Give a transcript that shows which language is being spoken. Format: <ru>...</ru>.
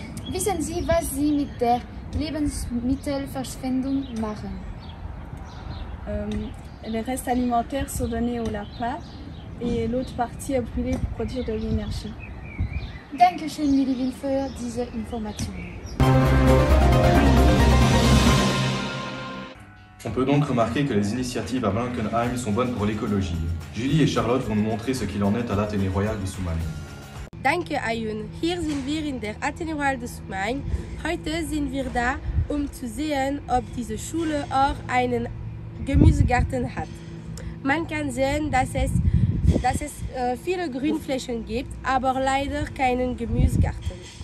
<de>Wissen Sie, was sie mit der Lebensmittelverschwendung machen?</de> <fr>Les restes alimentaires sont donnés aux lapins et l'autre partie est brûlée pour produire de l'énergie.</fr> <de>Danke schön, Ludivine, für diese Information.</de> <fr>On peut donc remarquer que les initiatives à Blankenheim sont bonnes pour l'écologie. Julie et Charlotte vont nous montrer ce qu'il en est à l'Athénée Royal de Soumagne.</fr> <de>Danke, Ayun. Hier sind wir in der Athénée Royal de Soumagne. Heute sind wir da, zu sehen, ob diese Schule auch einen Gemüsegarten hat. Man kann sehen, dass es viele Grünflächen gibt, aber leider keinen Gemüsegarten.</de>